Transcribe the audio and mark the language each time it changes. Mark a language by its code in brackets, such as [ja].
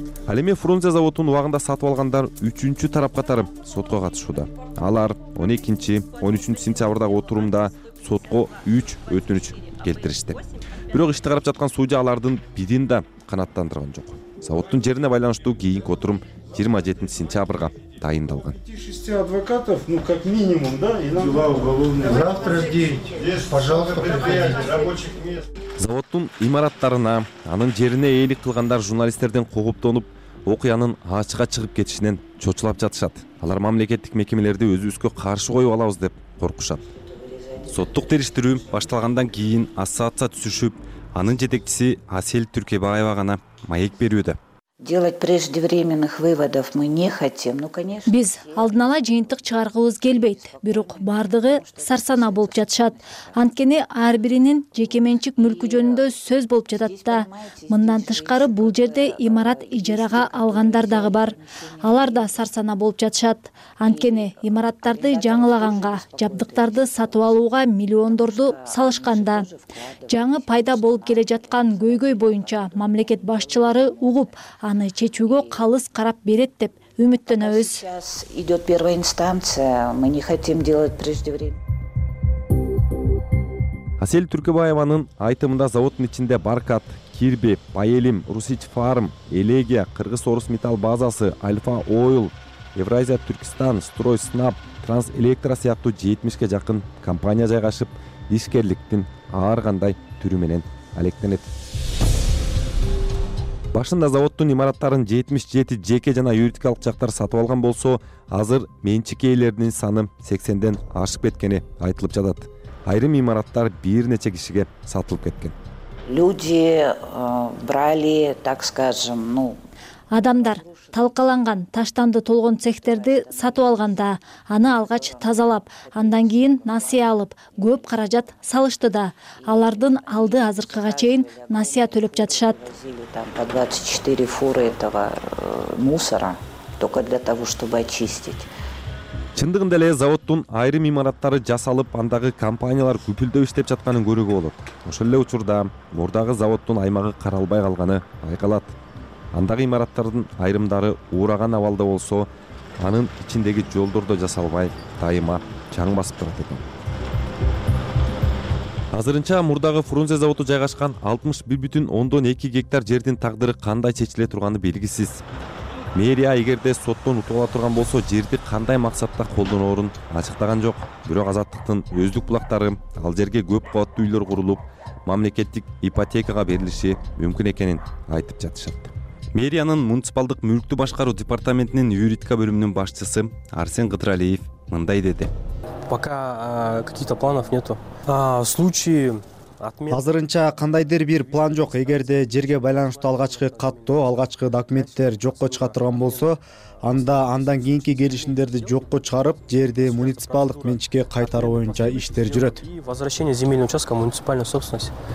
[ky] Ал эми Фрунзе заводун убагында сатып алгандар үчүнчү тарап катары сотко катышууда. Алар 12-13 сентябрдагы отурумда сотко 3 өтүнүч келтиришти. Бирок ишти карап жаткан судья алардын бирин да канааттандырган жок. Заводдун жерине байланыштуу кийинки отурум 27 сентябрга дайындалган. [ru] 6 адвокатов, ну как минимум, да, и нам дела уголовные. Завтра 9. Пожалуйста, приходите. Рабочих мест. [ky] Заводдун имараттарына, анын жерине ээлик кылгандар журналисттерден кооптонуп, окуянын ачыга чыгып кетишинен чочулап жатышат. Алар мамлекеттик мекемелерди өзүбүзгө каршы коюп алабыз деп коркушат. Соттук териштирүү башталгандан кийин ассоциация түшүшүп, анын жетекчиси Асель Түркебаева гана маек берүүдө. [ru] Делать преждевременных выводов мы не хотим. Ну, конечно. [ky] Биз алдын ала жыйынтык чыгаргыбыз келбейт. Бирок бардыгы сарсана болуп жатышат. Анткени ар биринин жеке менчик мүлкү жөнүндө сөз болуп жатат да. Мындан тышкары бул жерде имарат ижарага алгандар дагы бар. Алар да сарсана болуп жатышат. Анткени имараттарды жаңылаганга, жабдыктарды сатып алууга миллиондорду салышканда, жаңы пайда болуп келе жаткан көйгөй боюнча мамлекет башчылары угуп аны чечүүгө калыс карап берет деп үмүттөнөбүз. [ru] Сейчас идет первая инстанция. Мы не хотим делать преждевременно. [ky] Асель Түркебаеванын айтымында заводдун ичинде Баркат, Кирби, Паэлим, Русич Фарм, Элегия, Кыргыз Орус Металл базасы, Альфа Ойл, Евразия Түркистан, Строй Снап, Транс Электро сыяктуу 70ге жакын компания жайгашып, ишкерликтин ар кандай түрү менен алектенет. Башында заводдун имараттарын 77 жеке жана юридикалык жактар сатып алган болсо, азыр менчик ээлеринин саны 80ден ашып кеткени айтылып жатат. Айрым имараттар бир нече кишиге сатылып кеткен. [ru] Люди брали, так скажем, ну, [ky] адамдар талкаланган таштанды толгон цехтерди сатып алганда, аны алгач тазалап, андан кийин насыя алып, көп каражат салышты да. Алардын алды азыркыга чейин насыя төлөп жатышат. [ru] Там по 24 фуры этого мусора только для того, чтобы очистить. [ky] Чындыгында эле заводдун айрым имараттары жасалып, андагы компаниялар күпүлдөп иштеп жатканын көрүүгө болот. Ошол эле учурда мурдагы заводдун аймагы каралбай калганы айкалат. Андагы имараттардын айрымдары ураган абалда болсо, анын ичиндеги жолдор да жасалбай, дайыма чаң басып турат экен. Азырынча мурдагы Фрунзе заводу жайгашкан 61,2 гектар жердин тагдыры кандай чечиле турганы белгисиз. Мэрия эгерде соттон утула турган болсо, жерди кандай максатта колдонорун ачыктаган жок. Бирок азаттыктын өздүк булактары ал жерге көп кабаттуу үйлөр курулуп, мамлекеттик ипотекага берилиши мүмкүн экенин айтып жатышат. Мэриянын муниципалдык мүлктү башкаруу департаментинин юридика бөлүмүнүн башчысы Арсен Кытыралиев мындай деди. [ru] Пока каких-то планов нету. Случай [ky] азырынча кандайдыр бир план жок. Эгерде жерге байланыштуу алгачкы каттоо, алгачкы документтер жокко чыга турган болсо, анда андан кийинки келишимдерди жокко чыгарып, жерди муниципалдык менчикке кайтаруу боюнча иштер жүрөт. [ru] Возвращение земельного участка в муниципальную собственность.